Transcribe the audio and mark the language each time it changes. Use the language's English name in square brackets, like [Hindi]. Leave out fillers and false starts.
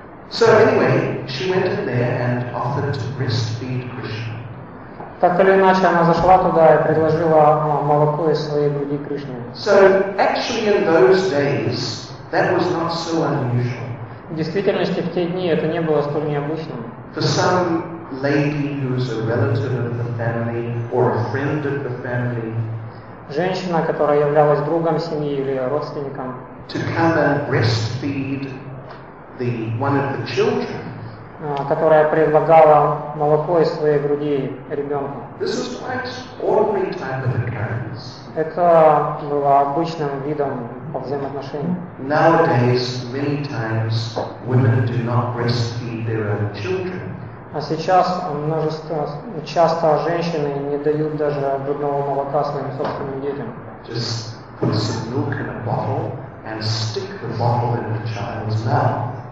[English] So anyway, she went in there and offered to breastfeed Krishna. [Russian] Так или иначе, она зашла туда и предложила молоко из своей груди Кришне. [English] So actually in those days that was not so unusual. [Russian] В действительности в те дни это не было столь необычным. [English] For some lady who is a relative of the family or a friend of the family. [Russian] Женщина, которая являлась другом семьи или родственником. [English] To come and breastfeed the one of the children. [Russian] Которая предлагала молоко из своей груди ребенку. [English] This is quite ordinary type of occurrence. [Russian] Это было обычным видом взаимоотношений. [English] Nowadays, many times women do not breastfeed their own children. [Russian] А сейчас часто женщины не дают даже грудного молока своим собственным детям. [English] Just put some milk in a bottle and stick the bottle in the child's mouth.